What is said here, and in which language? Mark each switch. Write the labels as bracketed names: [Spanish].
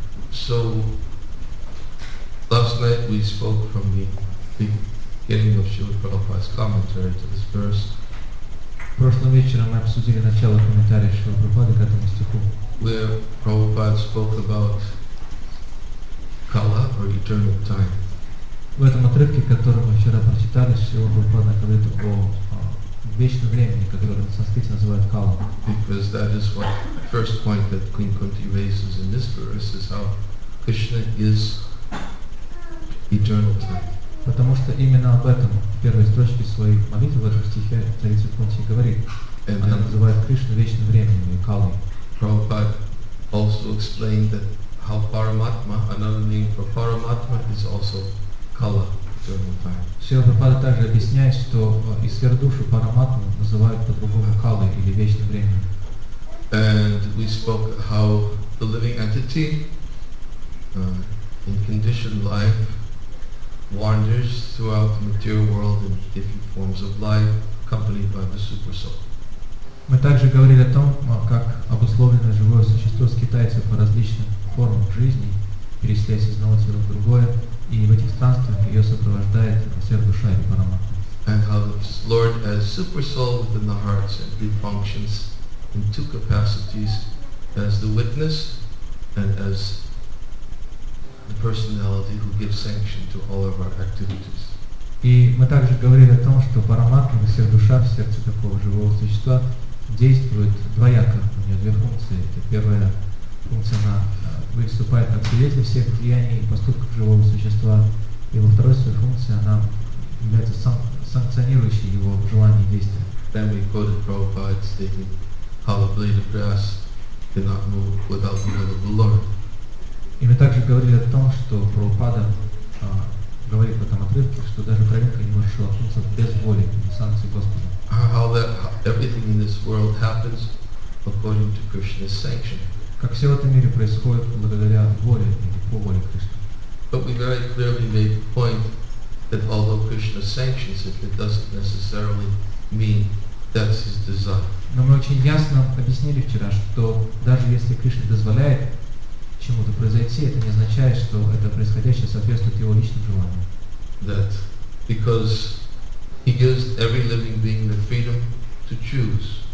[English] So, last night we spoke from the beginning of Srila Prabhupada's commentary to this verse. [Russian] Прошлым вечером мы обсудили начало комментария Шрила Прабхупады к этому стиху. [English] Where Prabhupada spoke about Kala or eternal time. [Russian] В этом отрывке, который мы вчера прочитали, Шрила Прабхупада говорит о вечном времени, которое в санскрите называют Кала. [English] Because that is what first point that Queen Kunti raises in this verse is how Krishna is eternal time. [Russian] Потому что именно об этом в первой строчке своей молитвы в этом стихе царица Кунти говорит. [English] And [Russian] она называет Кришну вечным временем и Калой. [English] Prabhupada also explained that how Paramatma, another name for Paramatma, is also Kala, eternal time. [Russian] Шрила Прабхупада также объясняет, что и сверхдушу Параматму называют по-другому Калой или вечным временем. [English] And we spoke how the living entity in conditioned life wanders throughout the material world in different forms of life, accompanied by the super soul. [Russian] Мы также говорили о том, как обусловленное живое существо скитается по различным формам жизни, переселяясь из одного тела в другое, и в этих странствах ее сопровождает сверхдуша или параматма. [English] And how the Lord as super soul within the hearts and functions in two capacities, as the witness and as the personality who gives sanction to all of our activities. [Russian] И мы также говорили о том, что Параматма, вся душа в сердце такого живого существа действует двояко. У нее две функции. Это первая функция, она выступает как свидетель всех деяний и поступков живого существа. И во второй своей функции она является санкционирующей его желания и действия. [English] Then we quoted Prabhupada stating, how a blade of grass cannot move without the will of the Lord. [Russian] И мы также говорили о том, что Прабхупада говорит в этом отрывке, что даже травинка не может шелохнуться без воли и санкции Господа. [English] How that everything in this world happens according to Krishna's sanction. [Russian] Как все в этом мире происходит благодаря воле или по воле Кришны. [English] But we very clearly made the point that although Krishna sanctions it, it doesn't necessarily mean that's his desire. [Russian] Но мы очень ясно объяснили вчера, что даже если Кришна дозволяет чему-то произойти, это не означает, что это происходящее соответствует его личным желаниям. [English] That because He gives every living being the freedom to choose.